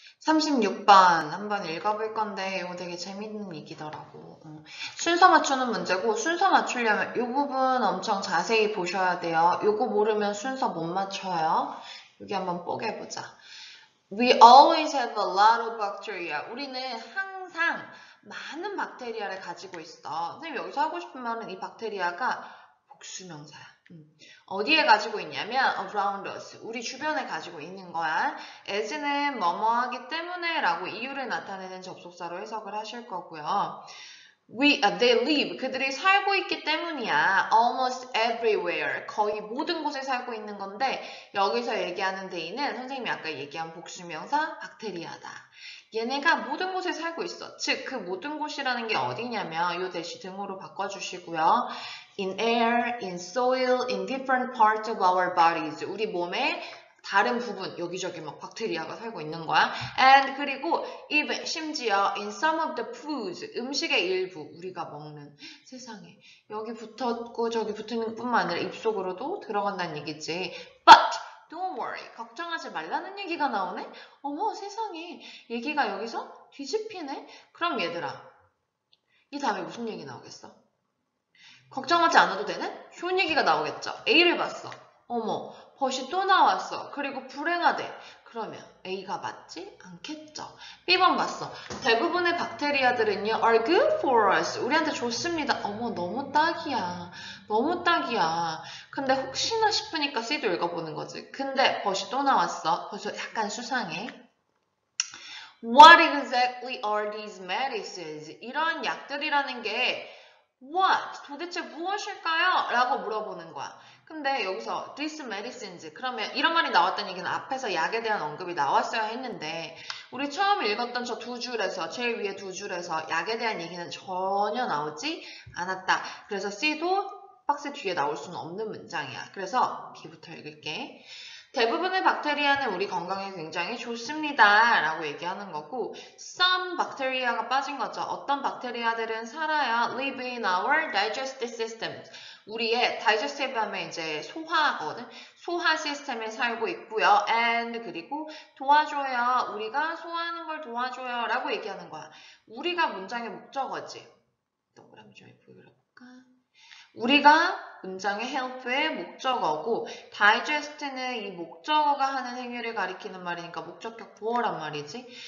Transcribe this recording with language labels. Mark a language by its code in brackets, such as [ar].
[ko] 36번 한번 읽어볼 건데, 이거 되게 재밌는 얘기더라고. 순서 맞추는 문제고, 순서 맞추려면 이 부분 엄청 자세히 보셔야 돼요. 이거 모르면 순서 못 맞춰요. 여기 한번 보게 보자. [en] We always have a lot of bacteria. [ko] 우리는 항상 많은 박테리아를 가지고 있어. 선생님, 여기서 하고 싶은 말은 이 박테리아가 복수명사야. 어디에 가지고 있냐면 [en] around us, [ko] 우리 주변에 가지고 있는 거야. as는 뭐뭐하기 때문에 라고 이유를 나타내는 접속사로 해석을 하실 거고요. [en] they live, [ko] 그들이 살고 있기 때문이야. [en] almost everywhere, [ko] 거의 모든 곳에 살고 있는 건데, 여기서 얘기하는 데이는 선생님이 아까 얘기한 복수명사 박테리아다. 얘네가 모든 곳에 살고 있어. 즉, 그 모든 곳이라는 게 어디냐면, 요 대시 등으로 바꿔주시고요. [en] In air, in soil, in different parts of our bodies. [ko] 우리 몸의 다른 부분, 여기저기 막 박테리아가 살고 있는 거야. And 그리고 even, 심지어 [en] in some of the foods, [ko] 음식의 일부, 우리가 먹는. 세상에, 여기 붙었고 저기 붙는 것뿐만 아니라 입속으로도 들어간다는 얘기지. [en] But don't worry, [ko] 걱정하지 말라는 얘기가 나오네? 어머, 세상에, 얘기가 여기서 뒤집히네? 그럼 얘들아, 이 다음에 무슨 얘기 나오겠어? 걱정하지 않아도 되는? 좋은 얘기가 나오겠죠. A를 봤어. 어머, 벗이 또 나왔어. 그리고 불행하대. 그러면 A가 맞지 않겠죠. B번 봤어. 대부분의 박테리아들은요, [en] are good for us. [ko] 우리한테 좋습니다. 어머, 너무 딱이야. 너무 딱이야. 근데 혹시나 싶으니까 C도 읽어보는 거지. 근데 벗이 또 나왔어. 벌써 약간 수상해. [en] What exactly are these medicines? [ko] 이런 약들이라는 게 What? 도대체 무엇일까요? 라고 물어보는 거야. 근데 여기서 these medicines, 그러면 이런 말이 나왔던 얘기는 앞에서 약에 대한 언급이 나왔어야 했는데, 우리 처음 읽었던 저두 줄에서, 제일 위에 두 줄에서 약에 대한 얘기는 전혀 나오지 않았다. 그래서 C도 박스 뒤에 나올 수는 없는 문장이야. 그래서 B부터 읽을게. 대부분의 박테리아는 우리 건강에 굉장히 좋습니다라고 얘기하는 거고, some 박테리아가 빠진 거죠. 어떤 박테리아들은 살아야 [en] live in our digestive system. [ko] 우리의 digestive하면 이제 소화하거든. 소화 시스템에 살고 있고요. And 그리고 도와줘요. 우리가 소화하는 걸 도와줘요라고 얘기하는 거야. 우리가 문장의 목적어지. 동그라미 좀 보여드릴까? 우리가 문장의 help의 목적어고, digest는 이 목적어가 하는 행위를 가리키는 말이니까 목적격 보어란 말이지.